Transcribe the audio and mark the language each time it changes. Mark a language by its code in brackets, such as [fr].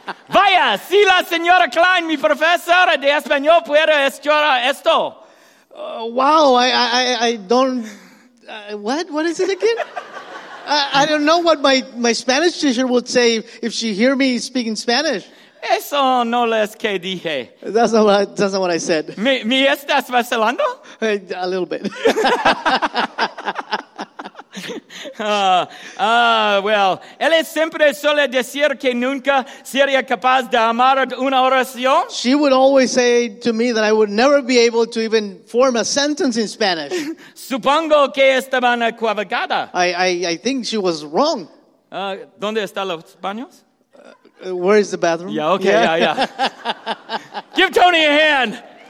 [es] Vaya, si la señora Klein, mi profesora de español, puede escuchar esto. [en] Wow, I don't... What is it again? I don't know what my Spanish teacher would say if she hear me speaking Spanish. [es] Eso no es que dije. [en] That's not what I said. [es] ¿Me estás vacilando? [en] A little bit. [es] Well, él siempre suele decir que nunca sería capaz de amar una oración. [en] She would always say to me that I would never be able to even form a sentence in Spanish. [es] Supongo que estaba equivocada. [en] I think she was wrong. [es] ¿Dónde están los baños? [en] Where is the bathroom? Yeah, okay, yeah. Give Tony a hand.